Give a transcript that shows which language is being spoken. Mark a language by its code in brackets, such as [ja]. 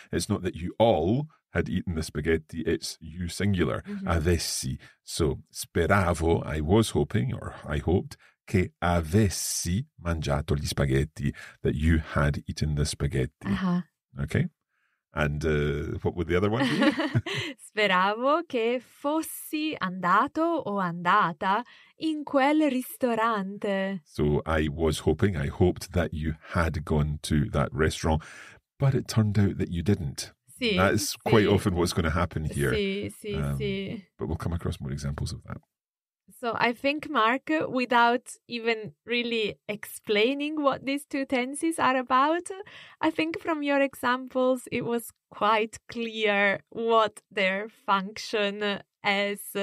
[en] It's not that you all had eaten the spaghetti, it's you singular, avessi. So [it] speravo, [en] I was hoping, or I hoped, [it] che avessi mangiato gli spaghetti, [en] that you had eaten the spaghetti. Okay, and what would the other one be? [it] Speravo che fossi andato o andata in quel ristorante. [en] So I was hoping, I hoped that you had gone to that restaurant, but it turned out that you didn't. [it] Sì, [en] that's [it] sì. [en] Quite often what's going to happen here. [it] Sì, sì, sì. [en] But we'll come across more examples of that. So I think, Mark, without even really explaining what these two tenses are about, I think from your examples, it was quite clear what their function is.